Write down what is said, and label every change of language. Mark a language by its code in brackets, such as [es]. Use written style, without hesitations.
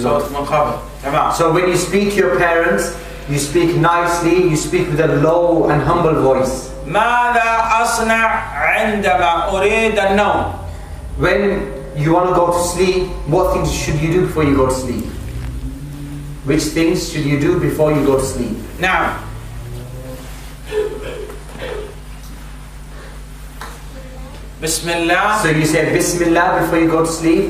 [en] So when you speak to your parents, you speak nicely, you speak with a low and humble voice. [ar] ماذا أصنع عندما أريد النوم؟ [en] When you want to go to sleep, what things should you do before you go to sleep? Which things should you do before you go to sleep? Now. Bismillah. So you say Bismillah before you go to sleep.